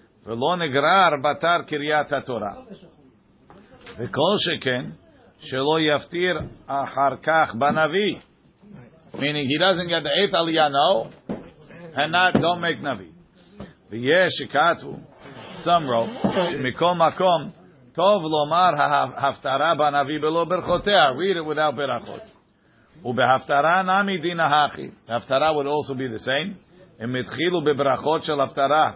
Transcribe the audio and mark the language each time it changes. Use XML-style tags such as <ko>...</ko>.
<he>ולא נגרר בתר קריאת התורה. וכל שכן, שלא יפתיר אחר כך בנביא.</he> <en>Meaning, he doesn't get the eighth aliyah now, and not, don't make navi.</en> <he>ויש שכתבו,</he> <en>some wrote,</en> <he>שמכל מקום, טוב לומר ההפטרה בנביא ולא ברכותיה.</he> <en>Read it without</en> <he>ברכות. ובהפטרה נמי דין ההכי. ההפטרה</he> <en>would also be the same.</en> <he>הם התחילו בברכות של הפטרה.</he>